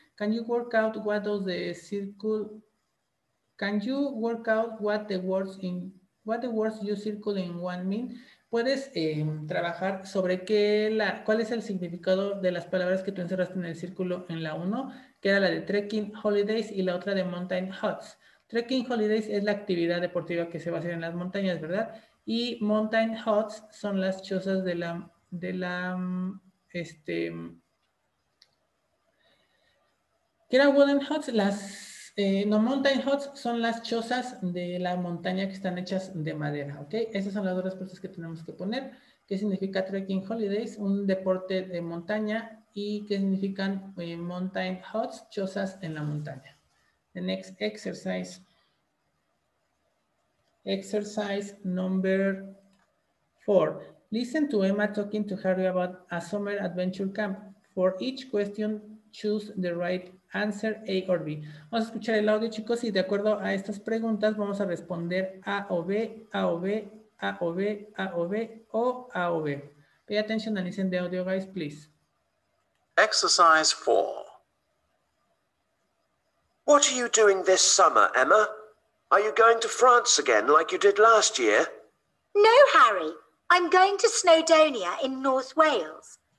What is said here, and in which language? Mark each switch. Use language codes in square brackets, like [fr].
[en] Can you work out what does the circle? Can you work out what the words you circle in one mean? [es] Puedes trabajar sobre cuál es el significado de las palabras que tú encerraste en el círculo en la 1, que era la de trekking holidays y la otra de mountain huts. Trekking holidays es la actividad deportiva que se va a hacer en las montañas, ¿verdad? Y mountain huts son las chozas de la ¿qué era wooden huts? Mountain huts son las chozas de la montaña que están hechas de madera, ¿ok? Esas son las dos respuestas que tenemos que poner. ¿Qué significa trekking holidays? Un deporte de montaña. ¿Y qué significan mountain huts? Chozas en la montaña. [en] The next exercise. Exercise number 4. Listen to Emma talking to Harry about a summer adventure camp. For each question, choose the right answer, A or B. [es] Vamos a escuchar el audio, chicos, y de acuerdo a estas preguntas, vamos a responder A o B, A o B, A o B, A o B, o A o B. [en] Pay attention and listen to the audio, guys, please. Exercise 4. What are you doing this summer, Emma? Are you going to France again like you did last year? No, Harry. I'm going to Snowdonia in North Wales.